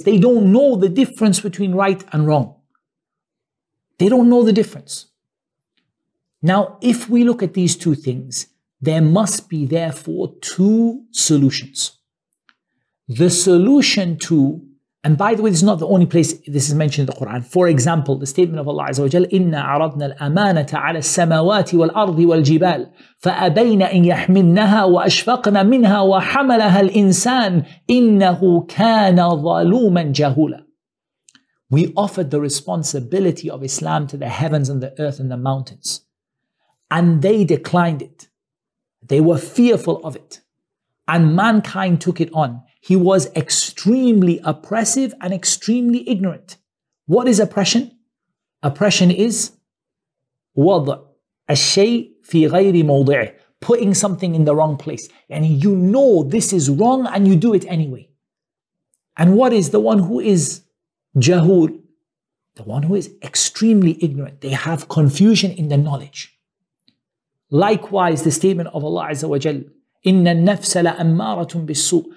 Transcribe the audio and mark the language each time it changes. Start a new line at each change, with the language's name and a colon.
English: They don't know the difference between right and wrong. They don't know the difference. Now, if we look at these two things, there must be therefore two solutions. The solution to, and by the way, this is not the only place this is mentioned in the Quran. For example, the statement of Allah Azza wa Jal,
Arabic: إِنَّا عَرَضْنَا الْأَمَانَةَ عَلَى السَّمَوَاتِ وَالْأَرْضِ وَالْجِبَالِ فَأَبَيْنَا إِنْ يَحْمِلْنَهَا وَأَشْفَقْنَا مِنْهَا وَحَمَلَهَا الْإِنسَانِ إِنَّهُ كَانَ ظَلُومًا جَهُولًا.
English: We offered the responsibility of Islam to the heavens and the earth and the mountains. And they declined it. They were fearful of it. And mankind took it on. He was extremely oppressive and extremely ignorant. What is oppression? Oppression is
Arabic: وضع الشيء في غير موضعه.
English: Putting something in the wrong place. And you know this is wrong and you do it anyway. And what is the one who is جهول? The one who is extremely ignorant. They have confusion in the knowledge. Likewise, the statement of Allah Azza wa Jal,
Arabic: إِنَّ النَّفْسَ لَأَمَّارَةٌ بِالسُّوءِ.